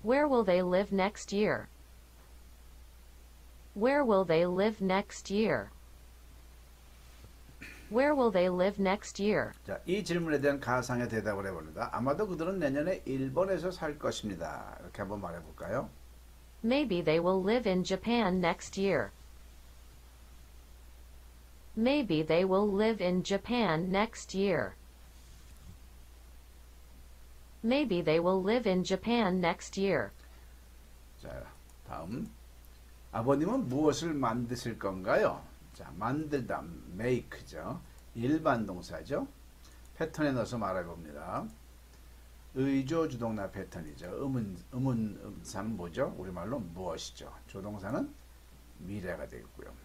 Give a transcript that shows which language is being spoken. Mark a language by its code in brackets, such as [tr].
[en] Where will they live next year? Where will they live next year? Where will they live next year? [ko] 자, 이 질문에 대한 가상의 대답을 해봅니다. 아마도 그들은 내년에 일본에서 살 것입니다. 이렇게 한번 말해볼까요? [en] Maybe they will live in Japan next year. Maybe they will live in Japan next year. Maybe they will live in Japan next year. [ko] 다음. 아버님은 무엇을 만드실 건가요? 자, 만들다, make죠. 일반 동사죠. 패턴에 넣어서 말해 봅니다. 의조 주동사 패턴이죠. 의문사는 뭐죠? 우리말로 무엇이죠? 조동사는 미래가 되겠고요.